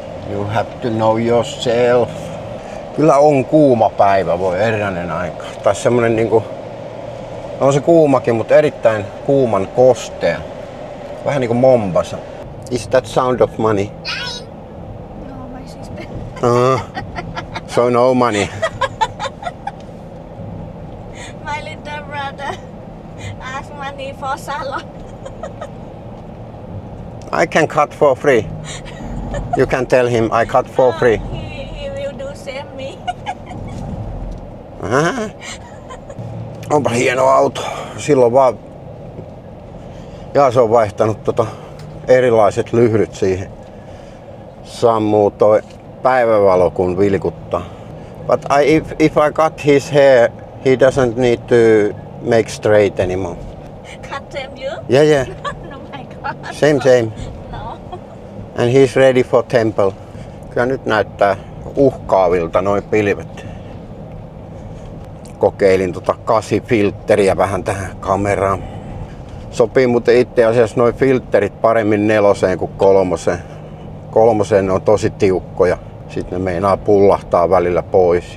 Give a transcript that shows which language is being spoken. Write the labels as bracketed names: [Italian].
[English] You have to know yourself. [Finnish] Kyllä on kuuma päivä, voi herranen aika. Tai semmonen niinku, on se kuumakin, mutta erittäin kuuman kostea. Vähän niinku Mombasa. [English] Is that sound of money? No, my sister. So no money. My little brother has money for salon. I can cut for free. You can tell him I cut for free. He will do same me. [Finnish] Onpa hieno auto. Silloin vaan... Jaa, se on vaihtanut erilaiset lyhdyt siihen. Sammuu toi päivävalo, kun vilkuttaa. [English] But if I cut his hair, he doesn't need to make straight anymore. Cut them you? Yeah, yeah. No, my God. Same. And he's ready for temple. [Finnish] Kyllä nyt näyttää uhkaavilta noin pilvet. Kokeilin 8-filtteriä vähän tähän kameraan. Sopii muuten itse asiassa noin filterit paremmin 4 kuin 3. 3 ne on tosi tiukkoja. Sitten ne meinaa pullahtaa välillä pois.